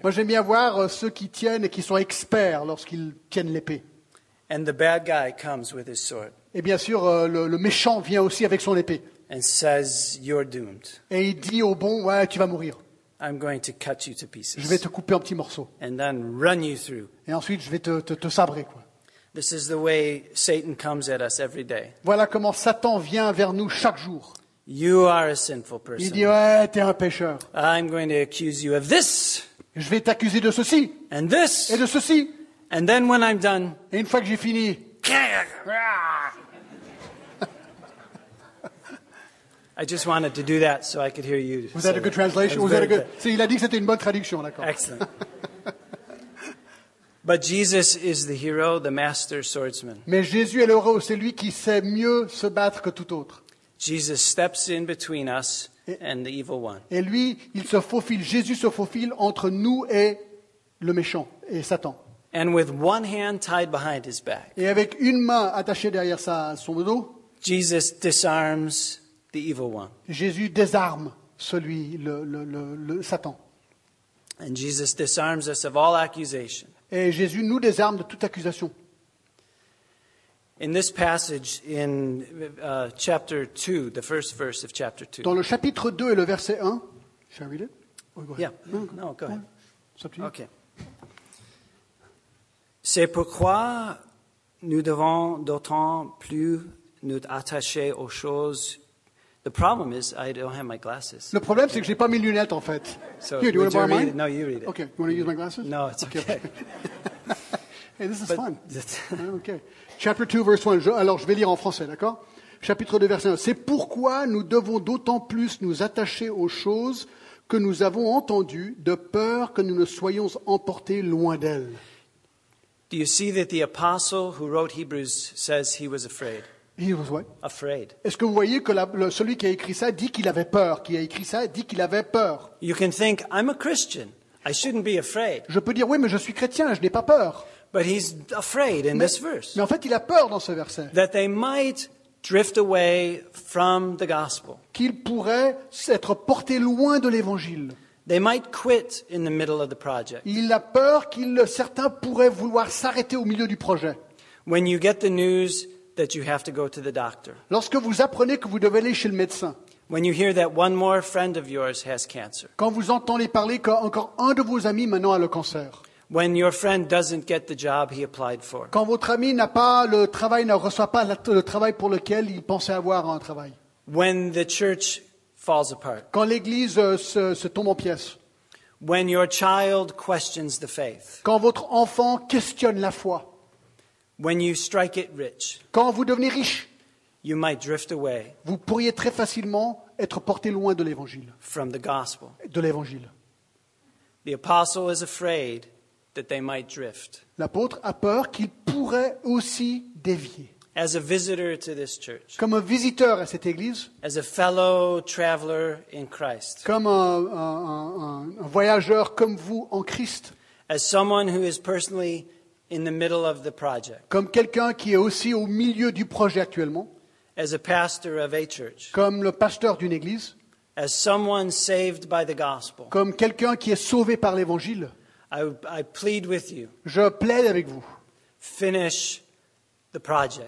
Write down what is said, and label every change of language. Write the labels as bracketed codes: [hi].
[fr] Moi j'aime bien voir ceux qui tiennent et qui sont experts lorsqu'ils tiennent l'épée. [en] And the bad guy comes with his sword. [fr] Et bien sûr le méchant vient aussi avec son épée. [en] And says you're doomed. [fr] Et il dit au bon, ouais, tu vas mourir. [en] I'm going to cut you to pieces. [fr] Je vais te couper en petits morceaux. [en] And then run you through. [fr] Et ensuite je vais te sabrer quoi. [en] This is the way Satan comes at us every day. [fr] Voilà comment Satan vient vers nous chaque jour. [en] You are a sinful person. [fr] Il dit ouais, t'es un pécheur. [en] I'm going to accuse you of this. [fr] Je vais t'accuser de ceci. [en] And this. [fr] Et de ceci. [en] And then when I'm done. [fr] Et une fois que j'ai fini. [en] I just wanted to do that so I could hear you. Was that a good translation? Was that a good? [fr] See, il a dit que c'était une bonne traduction, d'accord. [en] Excellent. But Jesus is the hero, the master swordsman. [fr] Mais Jésus est l'héros, c'est lui qui sait mieux se battre que tout autre. [en] Jesus steps in between us and the evil one. [fr] Et lui, il se faufile. Jésus se faufile entre nous et le méchant et Satan. [en] And with one hand tied behind his back. [fr] Et avec une main attachée derrière son dos. [en] Jesus disarms. The evil one. [fr] Jésus désarme celui le Satan. [en] And Jesus disarms us of all accusation. [fr] Et Jésus nous désarme de toute accusation. [en] In this passage in chapter 2, the first verse of chapter 2. [fr] Dans le chapitre 2 et le verset 1. [en] Shall I read it? Go ahead. Okay. [fr] C'est pourquoi nous devons d'autant plus nous attacher aux choses. [en] The problem is I don't have my glasses. [fr] Le problème c'est que j'ai pas mes lunettes en fait. [en] So, here, do you want to borrow mine? No, you read it. Okay, you want to use my glasses? No, it's okay. Hey, this is but fun. Okay. Chapter 2 verse 1. [fr] Alors je vais lire en français, d'accord? Chapitre 2 verset 1. C'est pourquoi nous devons d'autant plus nous attacher aux choses que nous avons entendues de peur que nous ne soyons emportés loin d'elles. [en] Do you see that the apostle who wrote Hebrews says he was afraid? He was what? Afraid. [fr] Est-ce que vous voyez que celui qui a écrit ça dit qu'il avait peur? Qui a écrit ça dit qu'il avait peur. [en] You can think, I'm a Christian. I shouldn't be afraid. [fr] Je peux dire, oui, mais je suis chrétien, je n'ai pas peur. [en] But he's afraid in this verse. [fr] Mais en fait, il a peur dans ce verset. [en] That they might drift away from the gospel. [fr] Qu'ils pourraient être portés loin de l'évangile. [en] They might quit in the middle of the project. [fr] Il a peur qu'ils certains pourraient vouloir s'arrêter au milieu du projet. [en] When you get the news that you have to go to the doctor. [fr] Lorsque vous apprenez que vous devez aller chez le médecin. [en] When you hear that one more friend of yours has cancer. [fr] Quand vous entendez parler qu'encore un de vos amis maintenant a le cancer. [en] When your friend doesn't get the job he applied for. [fr] Quand votre ami n'a pas le travail, ne reçoit pas le travail pour lequel il pensait avoir un travail. [en] When the church falls apart. [fr] Quand l'église se tombe en pièces. [en] When your child questions the faith. [fr] Quand votre enfant questionne la foi. [en] When you strike it rich. [fr] Quand vous devenez riche. [en] You might drift away. [fr] Vous pourriez très facilement être porté loin de l'évangile. [en] From the gospel. [fr] De l'évangile. [en] The apostle is afraid that they might drift. [fr] L'apôtre a peur qu'il pourrait aussi dévier. [en] As a visitor to this church. [fr] Comme un visiteur à cette église. [en] As a fellow traveler in Christ. [fr] Comme un voyageur comme vous en Christ. [en] As someone who is personally in the middle of the project. [fr] Comme quelqu'un qui est aussi au milieu du projet actuellement. [en] As a pastor of a church. [fr] Comme le pasteur d'une église. [en] As someone saved by the gospel. [fr] Comme quelqu'un qui est sauvé par l'évangile. [en] I plead with you. [fr] Je plaide avec vous. [en] Finish the project.